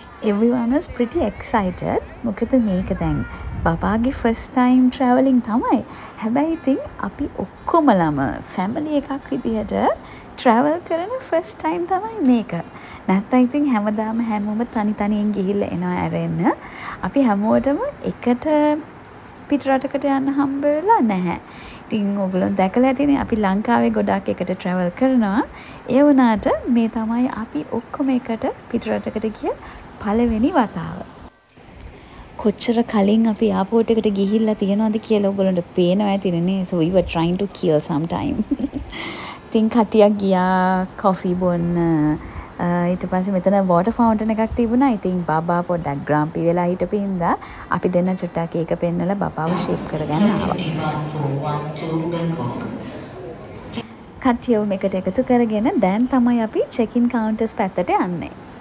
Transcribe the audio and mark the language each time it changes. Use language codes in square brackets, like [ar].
[en] Everyone was pretty excited. [si] මොකද මේක දැන් බබාගේ [en] first time traveling [si] තමයි. හැබැයි ඉතින් අපි ඔක්කොමලම family එකක් විදිහට travel කරන first time තමයි මේක. නැත්නම් ඉතින් හැමදාම හැමෝම තනි තනියෙන් ගිහිල්ලා එනවා ඇරෙන්න. අපි හැමෝටම එකට පිටරටකට යන්න හම්බ වෙලා නැහැ. ඉතින් ඔයගොල්ලෝ දැකලා ඇතිනේ අපි ලංකාවේ ගොඩක් එකට ට්‍රැවල් කරනවා. ඒ වුණාට මේ තමයි අපි ඔක්කොම එකට පිටරටකට ගිය පළවෙනි වතාව. කොච්චර කලින් අපි එයාපෝට් එකට ගිහිල්ලා තියෙනවද කියලා ඔයගොල්ලන්ට පේනවා ඇතිනේ. [en] So we were trying to kill some time. [si] ඉතින් කටියක් ගියා කෝෆි බොන්න. ඊට පස්සේ මෙතන වෝටර් ෆවුන්ටන් එකක් තිබුණා. ඉතින් බබා පොඩ්ඩක් ග්‍රම්පි වෙලා හිටපු හින්දා අපි දෙන්න චුට්ටක් ඒක පෙන්නලා බබාව ෂේප් කරගන්න ආවා. කට්ටියව මේකට එකතු කරගෙන දැන් තමයි අපි චෙක් ඉන් කවුන්ටර්ස් පැත්තට යන්නේ.